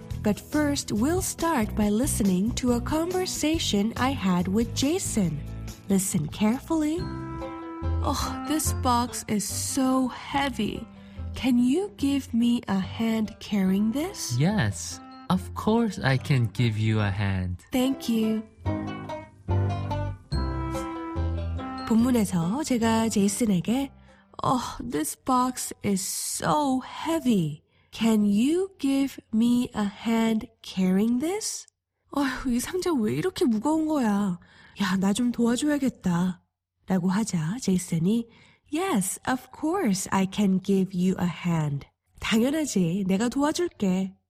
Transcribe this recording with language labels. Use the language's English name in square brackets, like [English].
[English] But first, we'll start by listening to a conversation I had with Jason. Listen carefully. Oh, this box is so heavy. Can you give me a hand carrying this? Yes, of course I can give you a hand. Thank you. [Korean] 본문에서 제가 제이슨에게 [English] Oh, this box is so heavy. Can you give me a hand carrying this? [Korean] 어휴, 이 상자 왜 이렇게 무거운 거야? 야, 나 좀 도와줘야겠다. 라고 하자 제이슨이 [English] Yes, of course I can give you a hand. [Korean] 당연하지, 내가 도와줄게.